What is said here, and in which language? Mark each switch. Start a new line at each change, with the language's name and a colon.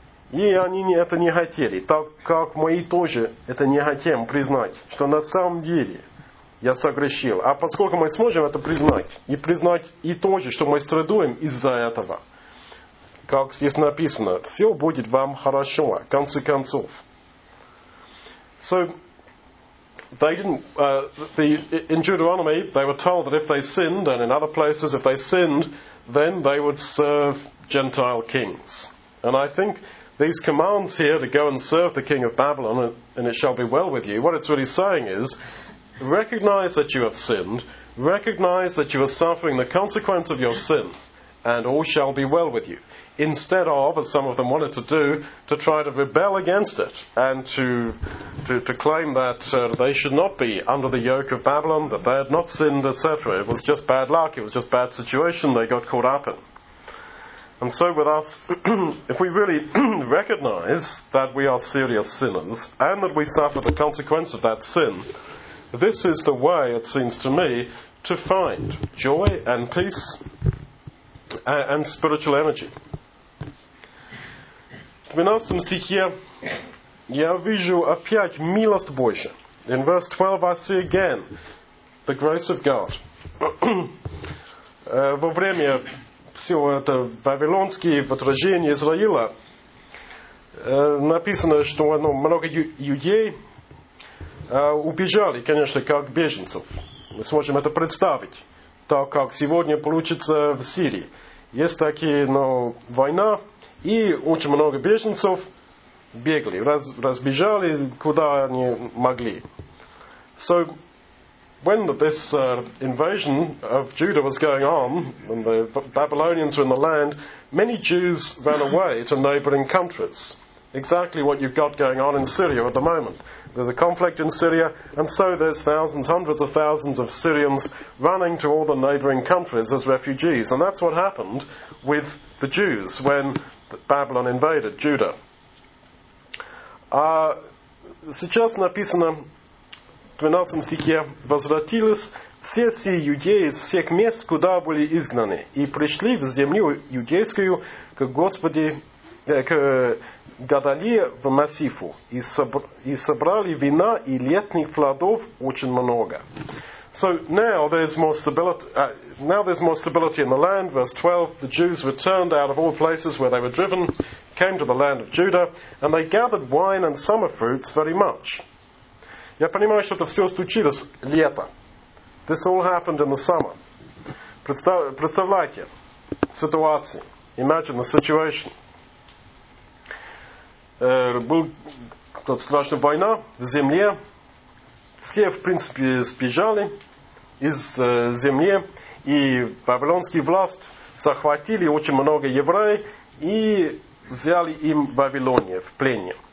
Russian: И они это не хотели, так как мы и тоже это не хотим признать, что на самом деле я согрешил. А поскольку мы сможем это признать, и признать и то же, что мы страдаем из-за этого, как здесь написано, все будет вам хорошо, в конце концов.
English: So, in Deuteronomy, they were told that if they sinned, and in other places, if they sinned, then they would serve Gentile kings. And I think these commands here to go and serve the king of Babylon, and it shall be well with you, what it's really saying is, recognize that you have sinned, recognize that you are suffering the consequence of your sin, and all shall be well with you. Instead of, as some of them wanted to do, to try to rebel against it, and to claim that they should not be under the yoke of Babylon, that they had not sinned, etc. It was just bad luck, it was just bad situation they got caught up in. And so with us, if we really recognize that we are serious sinners, and that we suffer the consequence of that sin, this is the way, it seems to me, to find joy and peace and spiritual energy.
Russian: В 12 стихе я вижу опять милость Божья.
English: In verse 12 I see again the grace of God.
Russian: Во время всего это вавилонские отражения Израиля написано, что много людей убежали, конечно, как беженцев. Мы сможем это представить, так как сегодня получится в Сирии. Есть такие, война, и очень много беженцев бегали, разбежали, куда они могли.
English: So, when this invasion of Judah was going on, when the Babylonians were in the land, many Jews ran away to neighboring countries. Exactly what you've got going on in Syria at the moment. There's a conflict in Syria, and so there's thousands, hundreds of thousands of Syrians running to all the neighboring countries as refugees. And that's what happened with the Jews when Babylon invaded Judah.
Russian: Сейчас написано в 12 стихе, «Возвратились все сии иудеи из всех мест, куда были изгнаны, и пришли в землю иудейскую к Господи, к Гадалии в Массифу, и собрали вина и летних плодов очень много».
English: So now there's more stability in the land. Verse 12, the Jews returned out of all places where they were driven, came to the land of Judah, and they gathered wine and summer fruits very much.
Russian: Я понимаю, что это все случилось лето.
English: This all happened in the summer.
Russian: Представляете ситуацию.
English: Imagine the situation.
Russian: Был тут страшная война в земле. Все, в принципе, сбежали из земли, и вавилонские власти захватили очень много евреев и взяли им Вавилонию в плен.